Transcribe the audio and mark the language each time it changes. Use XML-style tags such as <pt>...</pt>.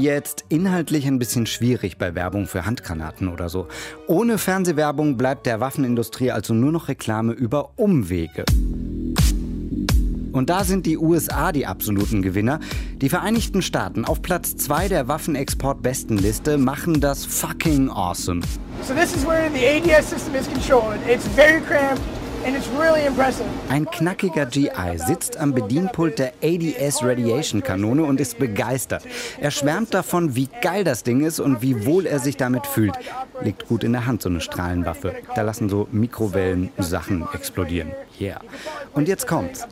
<de>jetzt inhaltlich ein bisschen schwierig bei Werbung für Handgranaten oder so. Ohne Fernsehwerbung bleibt der Waffenindustrie also nur noch Reklame über Umwege. Und da sind die USA die absoluten Gewinner. Die Vereinigten Staaten auf Platz 2 der Waffenexport-Bestenliste machen das</de> <en>fucking awesome. So this is where the ADS-System is controlled. It's very cramped. And it's really impressive.</en> <de>Ein knackiger GI sitzt am Bedienpult der ADS Radiation Kanone und ist begeistert. Er schwärmt davon, wie geil das Ding ist und wie wohl er sich damit fühlt. Liegt gut in der Hand, so eine Strahlenwaffe. Da lassen so Mikrowellen Sachen explodieren. Yeah. Und jetzt kommt's.</de>